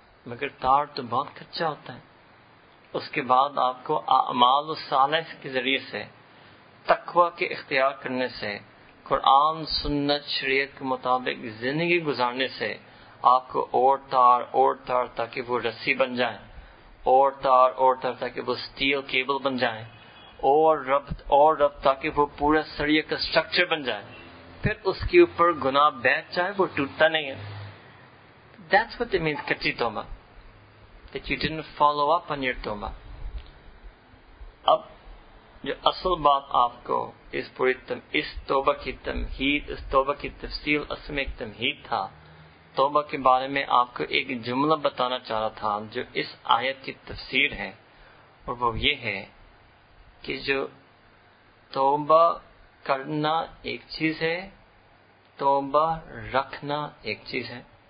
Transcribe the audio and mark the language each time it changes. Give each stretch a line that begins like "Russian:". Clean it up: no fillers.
Urdu: مگر تار تو بہت کچا ہوتا ہے. اس کے بعد آپ کو اعمال الصالح کے ذریعے سے, تقوی کے اختیار کرنے سے, قرآن سنت شریعت کے مطابق زندگی گزارنے سے آپ کو اور تار تاکہ وہ رسی بن جائیں, اور تار تاکہ وہ سٹیل کیبل بن جائیں, اور رب تاکہ وہ پورا سریع کا سٹرکچر بن جائے. پھر اس کے اوپر گناہ بیٹھ جائے, وہ ٹوٹتا نہیں ہے.
English: That's what it means,
Urdu: کچی توبہ.
English: That you didn't follow up on your tawbah.
Urdu: اب جو اصل بات آپ کو اس پوری اس توبہ کی تفصیل اصل میں ایک تمہید تھا. توبہ کے بارے میں آپ کو ایک جملہ بتانا چاہ رہا تھا جو اس آیت کی تفسیر ہے, اور وہ یہ ہے کہ جو توبہ کرنا ایک چیز ہے, توبہ رکھنا ایک چیز ہے.